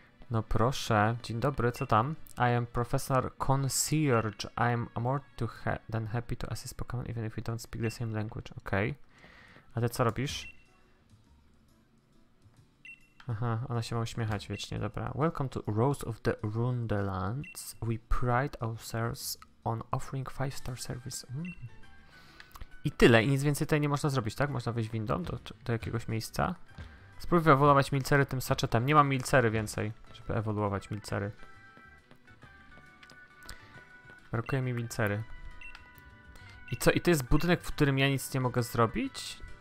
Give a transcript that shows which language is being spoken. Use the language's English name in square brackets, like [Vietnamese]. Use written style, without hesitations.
[Polish] No proszę, dzień dobry, co tam? [English] I am Professor Concierge. I am more to than happy to assist Pokemon, even if we don't speak the same language. [Polish] Okej. Okay. A ty co robisz? Aha, ona się ma uśmiechać wiecznie, dobra. [English] Welcome to Rose of the Rundelands. We pride ourselves on offering 5-star service. [Polish] I tyle, i nic więcej tutaj nie można zrobić, tak? Można wyjść windą do jakiegoś miejsca. Spróbuj ewoluować milcery tym saczetem. Nie mam milcery więcej, żeby ewoluować milcery. Brakuje mi milcery. I co? I to jest budynek, w którym ja nic nie mogę zrobić?